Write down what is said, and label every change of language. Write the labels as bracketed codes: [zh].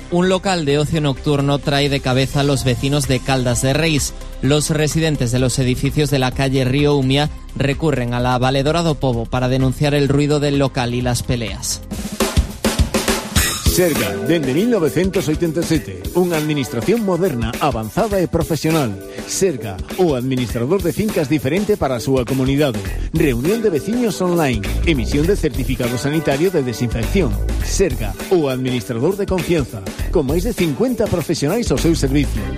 [es] Un local de ocio nocturno trae de cabeza a los vecinos de Caldas de Reis. Los residentes de los edificios de la calle Río Umia recurren a la valedora do Pobo para denunciar el ruido del local y las peleas. [gl] Serga, dende 1987, unha administración moderna, avanzada e profesional. Serga, o administrador de fincas diferente para a súa comunidade. Reunión de veciños online, emisión de certificado sanitario de desinfección. Serga, o administrador de confianza, con máis de 50 profesionais ao seu servicio.